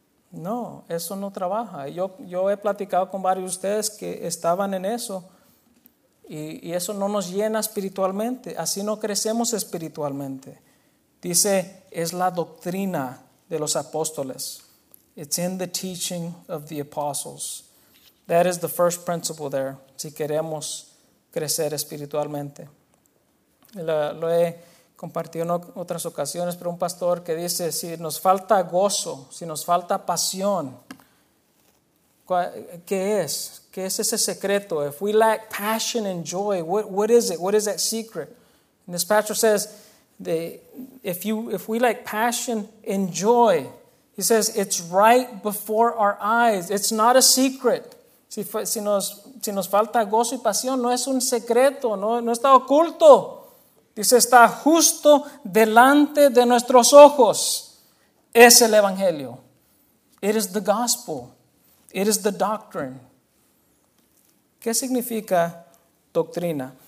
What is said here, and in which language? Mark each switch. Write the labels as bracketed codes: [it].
[es] No, eso no trabaja. Yo he platicado con varios de ustedes que estaban en eso y eso no nos llena espiritualmente, así no crecemos espiritualmente. Dice, es la doctrina de los apóstoles. [en] It's in the teaching of the apostles. That is the first principle there, [es] si queremos crecer espiritualmente. Lo he compartido en otras ocasiones, pero un pastor que dice, si nos falta gozo, si nos falta pasión, ¿Qué es? ¿Qué es ese secreto? [en] If we lack passion and joy, what is it? What is that secret? And this pastor says, if we lack passion and joy, he says, it's right before our eyes. It's not a secret. [es] Si nos falta gozo y pasión, no es un secreto, no está oculto. Dice, está justo delante de nuestros ojos. Es el Evangelio. [en] It is the gospel. It is the doctrine. [es] ¿Qué significa doctrina?